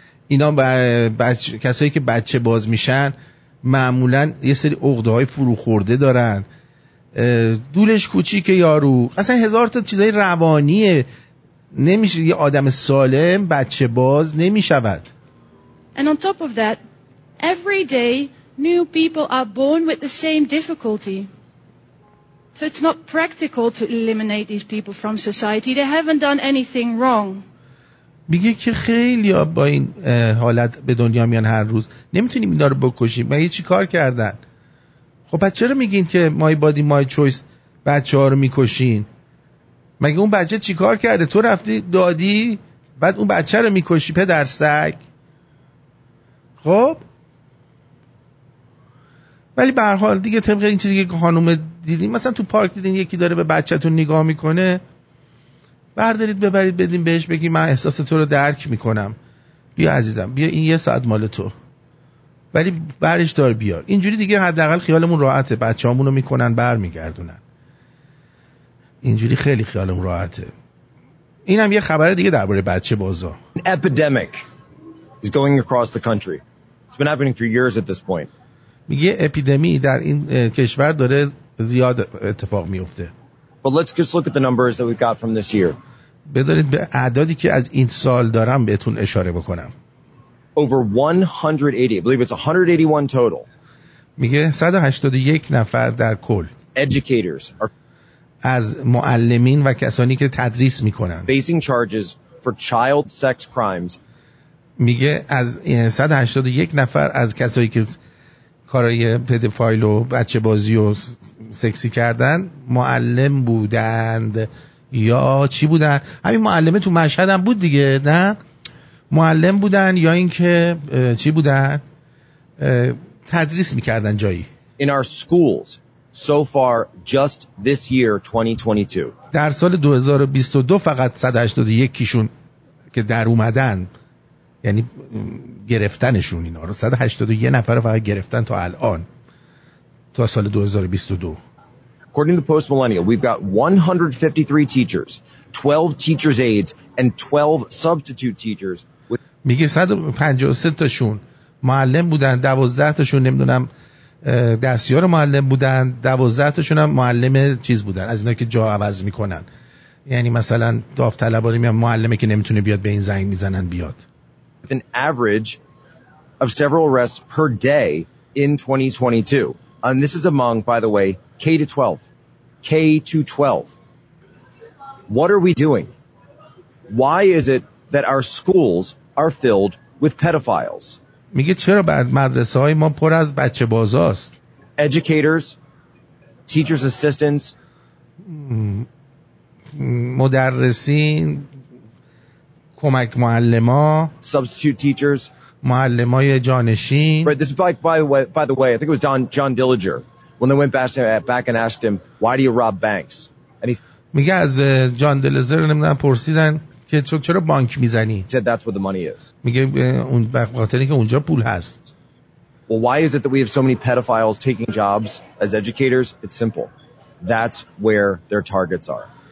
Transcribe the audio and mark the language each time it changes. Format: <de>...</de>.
<fa>اینا کسایی که بچه باز میشن معمولا یه سری عقده های فرو خورده دارن، دولش کوچیکه یارو، اصلا هزار تا چیزای روانیه نمیشه یه آدم سالم بچه باز نمیشود.</fa> <en>And on top of that, every day new people are born with the same difficulty. So it's not practical to eliminate these people from society. They haven't done anything wrong.</en> <fa>میگه که خیلی با این حالت به دنیا میان هر روز. نمیتونیم اینا رو بکشیم. ما چی کار کردن؟ خب پس چرا میگین که</fa> <en>my body my choice</en> <fa>بچه‌ها رو میکشین؟ مگه اون بچه چی کار کرده؟ تو رفتی دادی بعد اون بچه رو میکشی پدر سگ؟ خب ولی به هر حال دیگه طبق این چیزی که خانم دیدین، مثلا تو پارک دیدین یکی داره به بچه‌تون نگاه میکنه، بردارید ببرید بدین بهش، بگی من احساس تو رو درک میکنم، بیا عزیزم بیا این یه ساعت مال تو، ولی برش دار بیار. اینجوری دیگه حداقل خیالمون راحته، بچه‌هامون رو میکنن برمیگردونن، اینجوری خیلی خیالمون راحته. اینم یه خبر دیگه درباره بچه بازا.</fa> <en>epidemic is going across the country. It's been happening for years at this point.</en> <fa>میگه اپیدمی در این کشور داره زیاد اتفاق میفته.</fa> <en>But let's just look at the numbers that we've got from this year.</en> <fa>بذارید به اعدادی که از این سال دارم بهتون اشاره بکنم.</fa> <en>Over 180, I believe it's 181 total.</en> <fa>میگه 181 نفر در کل.</fa> <en>Educators are</en> <fa>از معلمین و کسانی که تدریس میکنن.</fa> <en>Facing charges for child sex crimes.</en> <fa>میگه از 181 نفر از کسایی که کارای پدوفایل و بچه بازی و سکسی کردن معلم بودند یا چی بودن؟ همین معلمه تو مشهد هم بود دیگه، نه؟ معلم بودن یا اینکه چی بودن؟ تدریس میکردن جایی.</fa> <en>In our schools, so far, just this year, 2022.</en> <fa>در سال 2022 فقط 181 کیشون که در اومدن، یعنی گرفتنشون اینا رو، 181 نفر رو فقط گرفتن تا الان تا سال 2022.</fa> <en>According to Post Millennial, we've got 153 teachers, 12 teachers aides and 12 substitute teachers.</en> <fa>میگه 153 تاشون معلم بودن، 12 تاشون نمیدونم دستیار معلم بودن، 12 تاشون هم معلم چیز بودن، از اینا که جا عوض میکنن، یعنی مثلا داوطلبانه میان معلمی که نمیتونه بیاد به این زنگ میزنن بیاد.</fa> <en>With an average of several arrests per day in 2022. And this is among, by the way, K to 12. What are we doing? Why is it that our schools are filled with pedophiles?</en> <fa>میگه چرا بعد مدرسه‌های ما پر از بچه بازاست؟</fa> <en>Educators, teachers' assistants,</en> <fa>مدرسین، کمک معلما،</fa> <en>substitute teachers،</en> <fa>معلمای جانشین.</fa> <en>Right, this is by the way, I think it was John Dillinger when they went back and asked him, why do you rob banks? And he's</en> <fa>میگه از جان دلزر نمیدونم پرسیدن که تو چرا بانک میزنی؟</fa> <en>Said that's where the money is.</en> <fa>میگه اون بخاطری که اونجا پول هست.</fa> <en>Well, why is it that we have so many pedophiles taking jobs as educators? It's simple. That's where their targets are.</en>